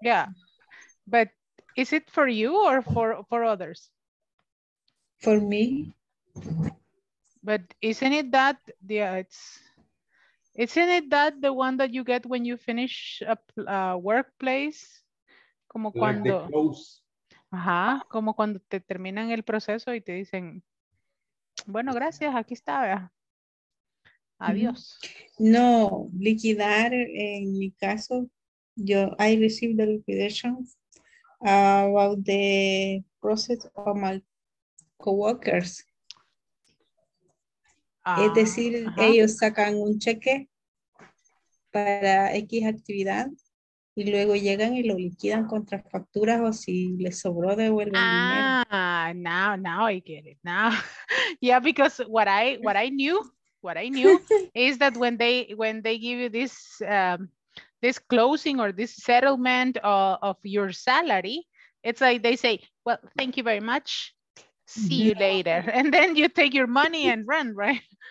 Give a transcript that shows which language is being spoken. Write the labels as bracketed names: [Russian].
[English] Yeah, but is it for you or for others? For me. But isn't it that the one that you get when you finish a workplace? [Spanish] Como [English] like [Spanish] cuando. Ajá. Como cuando te terminan el proceso y te dicen. Bueno, gracias, aquí está. Adiós. No, liquidar en mi caso, [English] I received the liquidation about the process of my coworkers. Ah, [Spanish] es decir, ajá. Ellos sacan un cheque para X actividad y luego llegan y lo liquidan contra facturas o si les sobró devuelven dinero. [English] Ah, now I get it. Now. Yeah, because what I knew is that when they give you this this closing or this settlement of your salary, it's like they say, well, thank you very much, see you later, and then you take your money and run, right?